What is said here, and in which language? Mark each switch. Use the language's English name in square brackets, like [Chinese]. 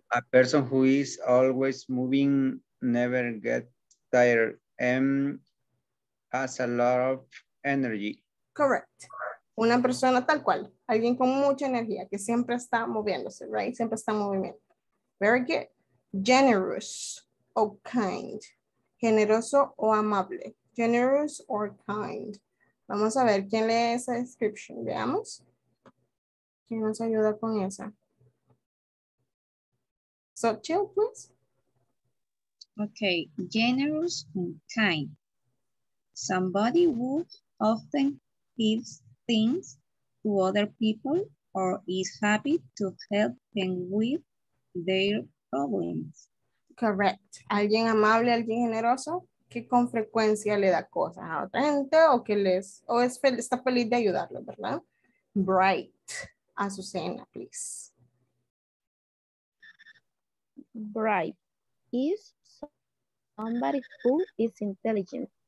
[English] A person who is always moving, never gets tired, and has a lot of energy. Correct. [Spanish] una persona tal cual, alguien con mucha energía, que siempre está moviéndose, [English] right? [Spanish] Siempre está en movimiento. [English] Very good. Generous or kind. [Spanish] Generoso o amable. [English] Generous or kind. [Spanish] Vamos a ver quién lee esa description. Veamos. ¿Quién nos ayuda con esa? [English] So, chill, please. Okay, generous and kind. Somebody who often gives things to other people or is happy to help them with their problems. Correct. [Spanish] Alguien amable, alguien generoso, que con frecuencia le da cosas a otra gente o que les, o es feliz, está feliz de ayudarlo, ¿verdad? [English] Bright. Azucena, please. Bright is somebody who is intelligent.